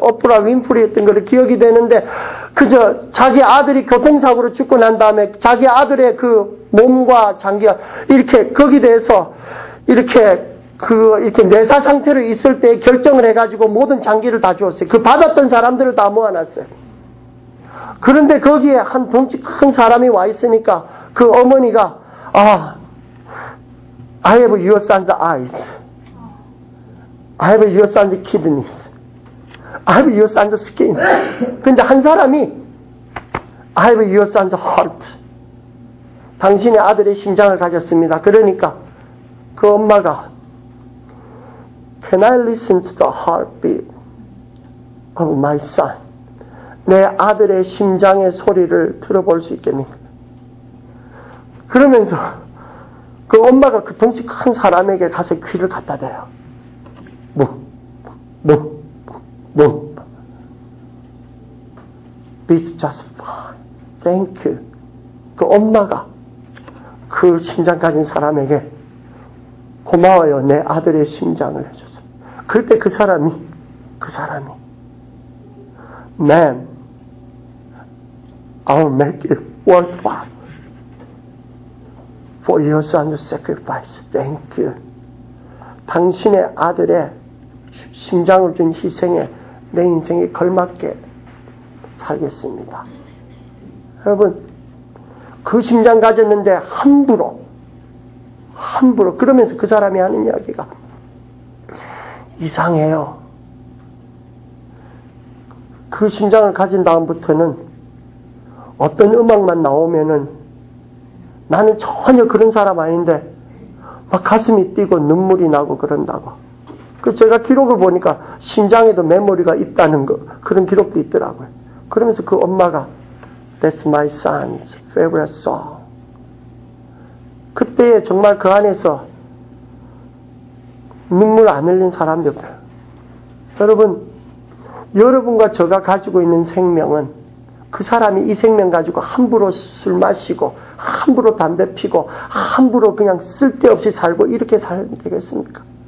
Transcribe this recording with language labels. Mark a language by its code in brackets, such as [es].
[ko] 오프라 윈프리였던 걸 기억이 되는데 그저 자기 아들이 교통사고로 죽고 난 다음에 자기 아들의 그 몸과 장기가 이렇게 거기 대해서 이렇게 그 이렇게 뇌사 상태로 있을 때 결정을 해가지고 모든 장기를 다 주었어요. 그 받았던 사람들을 다 모아놨어요. 그런데 거기에 한 덩치 큰 사람이 와 있으니까 그 어머니가 아, [en] I have your son's eyes. I have your son's kidneys. I have your son's skin. [ko] 근데 한 사람이 [en] I have your son's heart. [ko] 당신의 아들의 심장을 가졌습니다. 그러니까 그 엄마가 [en] Can I listen to the heartbeat of my son? [ko] 내 아들의 심장의 소리를 들어볼 수 있겠니? 그러면서 그 엄마가 그 덩치 큰 사람에게 가서 귀를 갖다 대요. 뭉. [en] It's just fine. Thank you. [ko] 그 엄마가 그 심장 가진 사람에게 고마워요. 내 아들의 심장을 해줘서. 그때 그 사람이 [en] Ma'am, I'll make it worthwhile for your son's sacrifice. Thank you. [ko] 당신의 아들의 심장을 준 희생에 내 인생이 걸맞게 살겠습니다. 여러분, 그 심장 가졌는데 함부로 그러면서 그 사람이 하는 이야기가 이상해요. 그 심장을 가진 다음부터는 어떤 음악만 나오면은 나는 전혀 그런 사람 아닌데 막 가슴이 뛰고 눈물이 나고 그런다고. 그 제가 기록을 보니까 심장에도 메모리가 있다는 거 그런 기록도 있더라고요. 그러면서 그 엄마가 [en] That's my son's favorite song. [ko] 그때 정말 그 안에서 눈물 안 흘린 사람들. 여러분, 여러분과 제가 가지고 있는 생명은 그 사람이 이 생명 가지고 함부로 술 마시고 함부로 담배 피고 함부로 그냥 쓸데없이 살고 이렇게 살면 되겠습니까?